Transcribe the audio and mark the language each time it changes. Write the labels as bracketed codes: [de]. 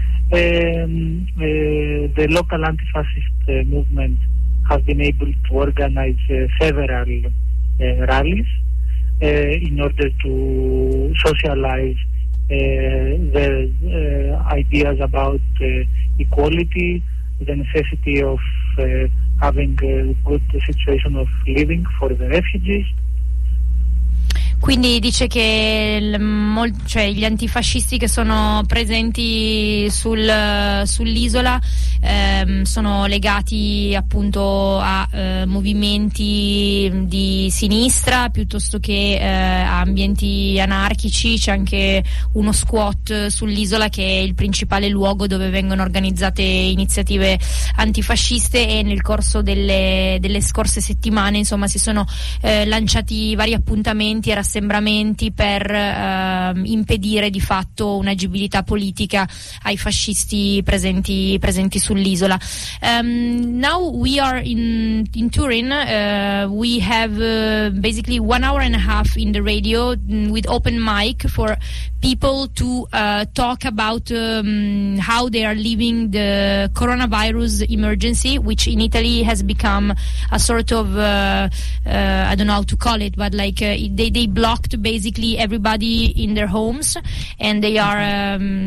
[en] The local anti-fascist movement has been able to organize several rallies in order to socialize their ideas about equality, the necessity of having a good situation of living for the refugees. [it] Quindi dice che cioè gli antifascisti che sono presenti sull'isola sono legati appunto a movimenti di sinistra piuttosto che a ambienti anarchici. C'è anche uno squat sull'isola che è il principale luogo dove vengono organizzate iniziative antifasciste, e nel corso delle scorse settimane insomma si sono lanciati vari appuntamenti e rassembramenti per impedire di fatto un'agibilità politica ai fascisti presenti sull'isola. [en] Now we are in Turin. We have basically 1.5 hours in the radio with open mic for people to talk about how they are living the coronavirus emergency, which in Italy has become a sort of I don't know how to call it, but like they blocked basically everybody in their homes, and they are